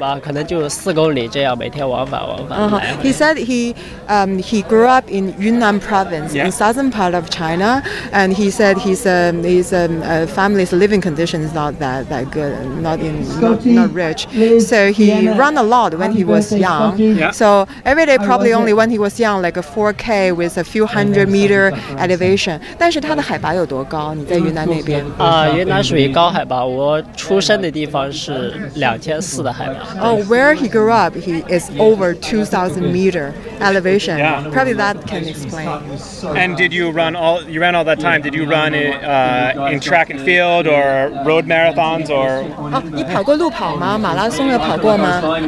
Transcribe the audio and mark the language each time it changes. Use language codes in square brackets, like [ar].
[zh] 因为我是出生在云南的农村，然后就是小时候条件比较差，然后每天跑着去上学。你在大山里面是吧？对对对。那边的山有多高？每天爬山也有几百米吧，可能就4公里这样，每天往返往返。He [en] said he grew up in Yunnan province, in southern part of China, and he said his family's living condition is not that good, not rich. So he ran a lot when he was young. So every day probably only when he was young, like a 4K with a few hundred meter elevation. [zh] 但是它的海拔有多高？你在云南那边？云南属于高海拔，我出生的地方是2400的海拔。 [en] Oh, where he grew up, he is over 2000 meter elevation. Probably that can explain. And did you run all, you ran all that time, did you run in track and field or road marathons or? [zh] 你跑过路跑吗？马拉松有跑过吗？